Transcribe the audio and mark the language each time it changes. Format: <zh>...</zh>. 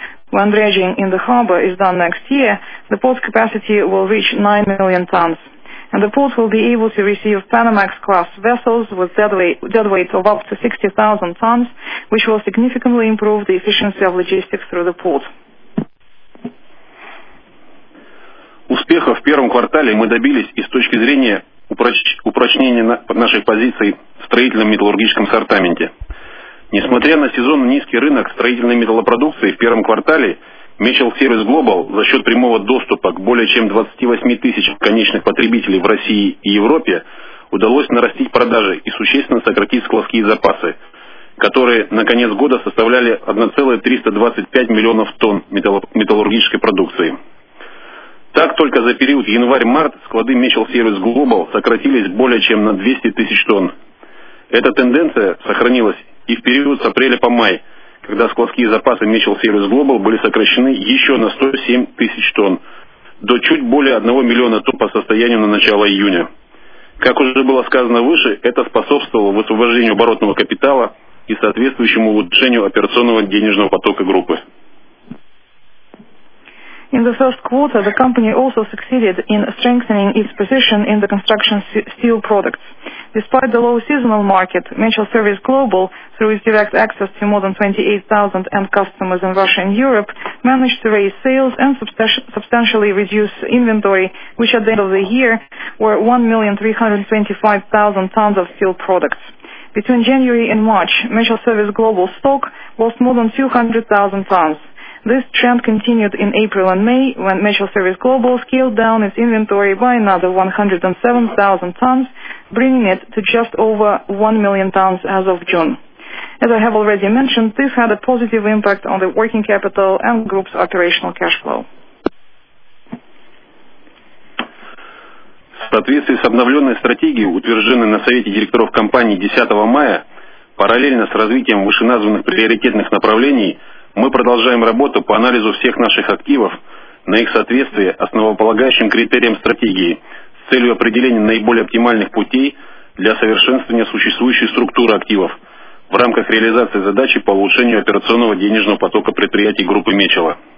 <en>When dredging in the harbor is done next year, the port's capacity will reach 9 million tons. And the port will be able to receive Panamax-class vessels with deadweight of up to 60,000 tons, which will significantly improve the efficiency of logistics through the port.</en> <ru>Успеха в первом квартале мы добились и с точки зрения упрочнения наших позиций в строительном металлургическом ассортименте. Несмотря на сезонно низкий рынок строительной металлопродукции, в первом квартале Mitchell Service Global за счет прямого доступа к более чем 28 тысяч конечных потребителей в России и Европе удалось нарастить продажи и существенно сократить складские запасы, которые на конец года составляли 1,325 миллионов тонн металлургической продукции. Так, только за период январь-март склады Mitchell Service Global сократились более чем на 200 тысяч тонн. Эта тенденция сохранилась и в период с апреля по май, когда складские запасы Mitchell Service Global были сокращены еще на 107 тысяч тонн, до чуть более 1 миллиона тонн по состоянию на начало июня. Как уже было сказано выше, это способствовало высвобождению оборотного капитала и соответствующему улучшению операционного денежного потока группы.</ru> <en>In the first quarter, the company also succeeded in strengthening its position in the construction steel products. Despite the low seasonal market, Mitchell Service Global, through its direct access to more than 28,000 end customers in Russia and Europe, managed to raise sales and substantially reduce inventory, which at the end of the year were 1,325,000 tons of steel products. Between January and March, Mitchell Service Global stock lost more than 200,000 tons. This trend continued in April and May, when Mitchell Service Global scaled down its inventory by another 107,000 tons, bringing it to just over 1 million tons as of June. As I have already mentioned, this had a positive impact on the working capital and group's operational cash flow.</en> <ru>В соответствии с обновленной стратегией, утвержденной на Совете директоров компании 10 мая, параллельно с развитием вышеназванных приоритетных направлений, мы продолжаем работу по анализу всех наших активов на их соответствие основополагающим критериям стратегии с целью определения наиболее оптимальных путей для совершенствования существующей структуры активов в рамках реализации задачи по улучшению операционного денежного потока предприятий группы Мечела.</ru>